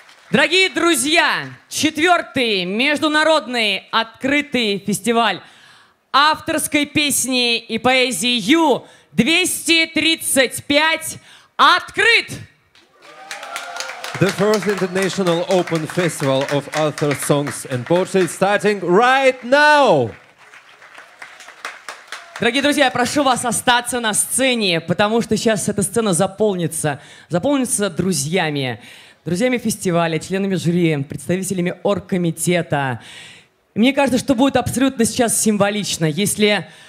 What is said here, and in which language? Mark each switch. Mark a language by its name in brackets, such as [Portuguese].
[Russian] Дорогие друзья, четвертый международный открытый фестиваль авторской песни и поэзии Ю-235 открыт! [English] The first international open festival of author songs and poetry starting right now! [Russian] Дорогие друзья, я прошу вас остаться на сцене, потому что сейчас эта сцена заполнится друзьями. Друзьями фестиваля, членами жюри, представителями оргкомитета. Мне кажется, что будет абсолютно сейчас символично, если